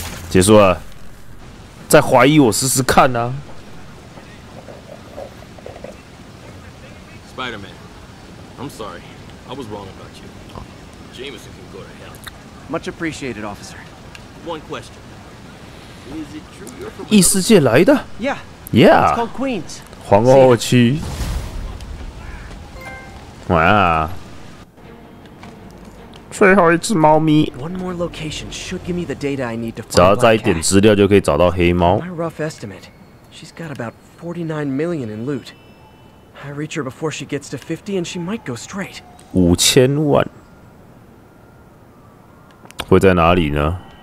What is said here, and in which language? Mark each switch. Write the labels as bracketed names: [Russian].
[Chinese] 结束了，再怀疑我试试看呢、啊。 [English] Spider-Man, I'm sorry, I was wrong about you. Jameson can go to hell. Much appreciated, officer. One question. Is it true you're from [Chinese] 异世界来的 [English] ？Yeah. Yeah. It's called Queens. [Chinese] 皇后区。哇。最后一只猫咪。 [English] One more location should give me the data I need to find. [Chinese] 只要再一点资料就可以找到黑猫。 [English] My rough estimate, she's got about 49 million in loot. I reach her before she gets to 50, and she might go straight. [Chinese] 五千万会在哪里呢？